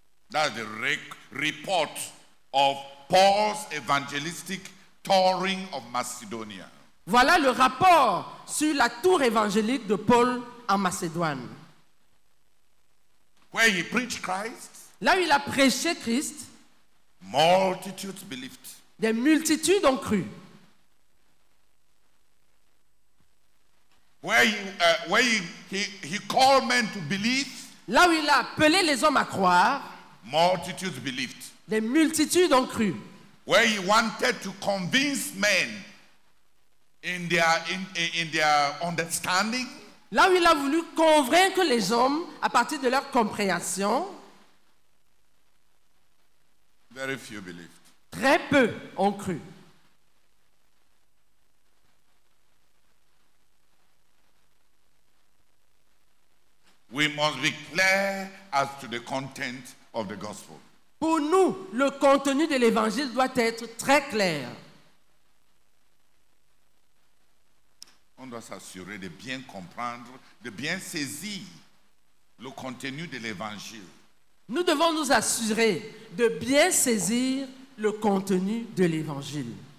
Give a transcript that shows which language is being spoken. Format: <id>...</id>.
<en>That's the report of Paul's evangelistic touring of Macedonia.</en> <fr>Voilà le rapport sur la tour évangélique de Paul en Macédoine.</fr> <en>Where he preached Christ,</en> <fr>là où il a prêché Christ,</fr> <en>multitudes believed.</en> <fr>Des multitudes ont cru.</fr> <en>Where he called men to believe,</en> <fr>là où il a appelé les hommes à croire,</fr> <en>multitudes believed.</en> <fr>Des multitudes ont cru.</fr> <en>Where he wanted to convince men in their understanding,</en> <fr>là où il a voulu convaincre les hommes à partir de leur compréhension,</fr> <en>very few believed.</en> <fr>Très peu ont cru.</fr> <en>We must be clear as to the content of the gospel.</en> <fr>Pour nous, le contenu de l'évangile doit être très clair. On doit s'assurer de bien comprendre, de bien saisir le contenu de l'évangile. Nous devons nous assurer de bien saisir le contenu de l'évangile.</fr>